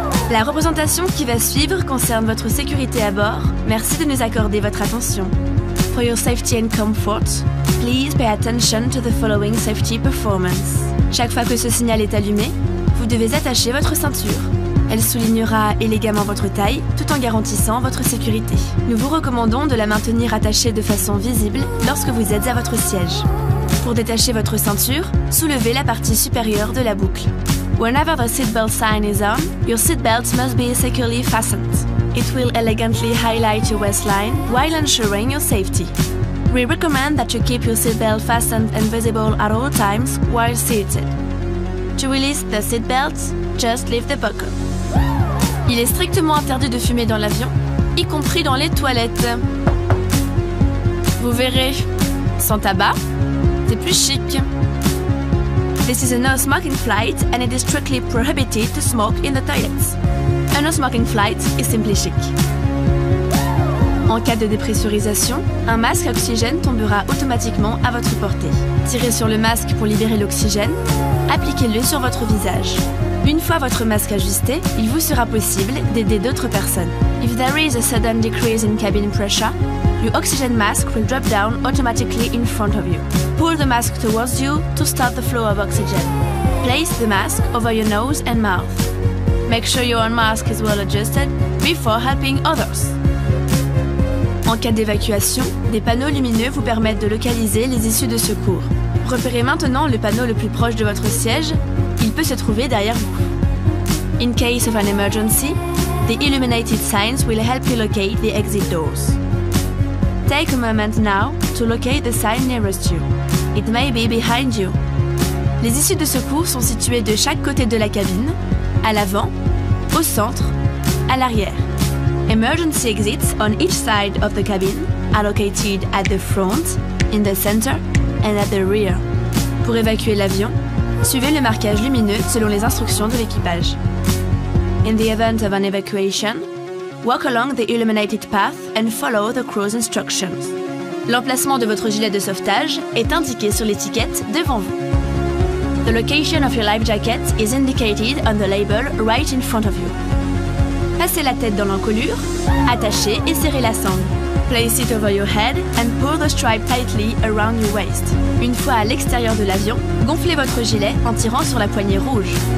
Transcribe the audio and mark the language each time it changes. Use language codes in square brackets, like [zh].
[fr] La représentation qui va suivre concerne votre sécurité à bord. Merci de nous accorder votre attention. [en] For your safety and comfort, please pay attention to the following safety performance. [fr] Chaque fois que ce signal est allumé, vous devez attacher votre ceinture. Elle soulignera élégamment votre taille tout en garantissant votre sécurité. Nous vous recommandons de la maintenir attachée de façon visible lorsque vous êtes à votre siège. Pour détacher votre ceinture, soulevez la partie supérieure de la boucle. [en] Whenever the seatbelt sign is on, your seatbelt must be securely fastened. It will elegantly highlight your waistline while ensuring your safety. We recommend that you keep your seatbelt fastened and visible at all times while seated. To release the seatbelt, just lift the buckle. [fr] Il est strictement interdit de fumer dans l'avion, y compris dans les toilettes. Vous verrez, sans tabac, c'est plus chic. [en] This is a no-smoking flight and it is strictly prohibited to smoke in the toilets. A no-smoking flight is simply chic. [fr] En cas de dépressurisation, un masque à oxygène tombera automatiquement à votre portée. Tirez sur le masque pour libérer l'oxygène, appliquez-le sur votre visage. Une fois votre masque ajusté, il vous sera possible d'aider d'autres personnes. [en] If there is a sudden decrease in cabin pressure, your oxygen mask will drop down automatically in front of you. Pull the mask towards you to stop the flow of oxygen. Place the mask over your nose and mouth. Make sure your own mask is well adjusted before helping others. [fr] En cas d'évacuation, des panneaux lumineux vous permettent de localiser les issues de secours. Repérez maintenant le panneau le plus proche de votre siège. Il peut se trouver derrière vous. [en] In case of an emergency, the illuminated signs will help you locate the exit doors. Take a moment now to locate the sign nearest you. It may be behind you. [fr] Les issues de secours sont situées de chaque côté de la cabine, à l'avant, au centre, à l'arrière. [en] Emergency exits on each side of the cabin are located at the front, in the center, and at the rear. [fr] Pour évacuer l'avion, suivez le marquage lumineux selon les instructions de l'équipage. [en] In the event of an evacuation, walk along the illuminated path and follow the crew's instructions. [fr] L'emplacement de votre gilet de sauvetage est indiqué sur l'étiquette devant vous. [en] The location of your life jacket is indicated on the label right in front of you. [fr] Passez la tête dans l'encolure, attachez et serrez la sangle. [en] Place it over your head and pull the stripe tightly around your waist. [fr] Une fois à l'extérieur de l'avion, gonflez votre gilet en tirant sur la poignée rouge.